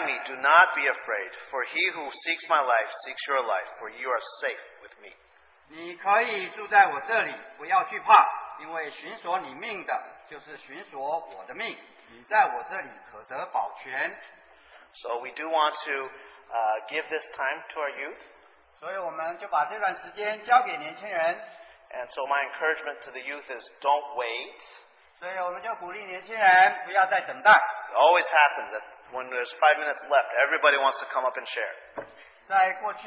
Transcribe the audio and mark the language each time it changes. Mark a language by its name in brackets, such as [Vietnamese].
[English] in me, do not be afraid, for he who seeks my life seeks your life, for you are safe with me. [Chinese] 你可以住在我这里，不要惧怕，因为寻索你命的。 [English] So we do want to give this time to our youth. And so my encouragement to the youth is don't wait. It always happens that when there's 5 minutes left, everybody wants to come up and share.